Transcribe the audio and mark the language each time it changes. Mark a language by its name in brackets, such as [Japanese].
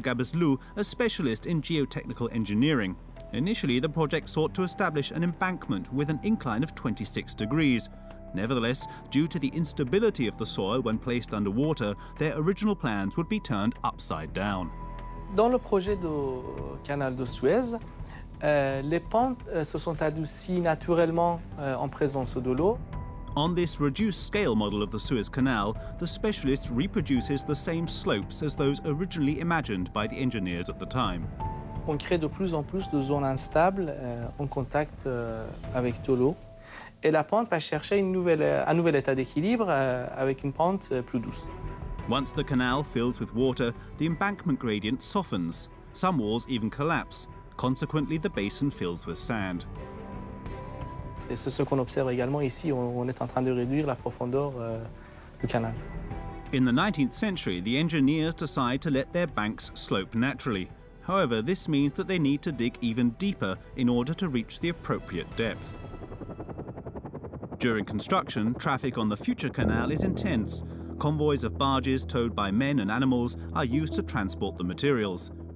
[English] Gabazlou, a specialist in geotechnical engineering. Initially, the project sought to establish an embankment with an incline of 26 degrees. Nevertheless, due to the instability of the soil when placed underwater, their original plans would be turned upside down. [French] Dans le projet du canal de Suez, les pentes se sont adoucies naturellement en présence de l'eau. [English] On this reduced scale model of the Suez Canal, the specialist reproduces the same slopes as those originally imagined by the engineers at the time. [French] On crée de plus en plus de zones instables en contact avec de l'eau. Et la pente va chercher un nouvel état d'équilibre avec une pente plus douce. [English] Once the canal fills with water, the embankment gradient softens. Some walls even collapse. Consequently, the basin fills with sand. [French] Et c'est ce qu'on observe également ici, on est en train de réduire la profondeur du canal. [English] In the 19th century, the engineers decide to let their banks slope naturally. However, this means that they need to dig even deeper in order to reach the appropriate depth. During construction, traffic on the future canal is intense. Convoys of barges towed by men and animals are used to transport the materials.